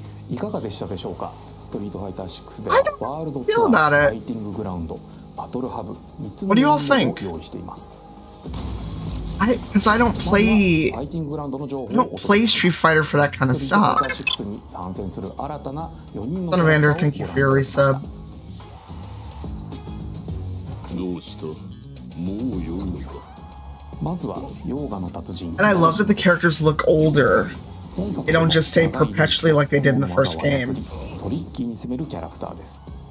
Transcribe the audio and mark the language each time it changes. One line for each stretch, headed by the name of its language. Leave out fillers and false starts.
Japanese: いかがでしたでしょうか？ストリートファイター6でワールドツアー、ファイティンググラウンド、バトルハブ、3つのゲームを用意しています。
English: I don't play Street Fighter for that kind of stuff. Son of Ander, thank you for your resub.
Japanese: どうした？もう良いのか？まずはヨーガの達人。
English: And I love that the characters look older. They don't just stay perpetually like they did in the first game.
Japanese: トリッキーに攻めるキャラクターです。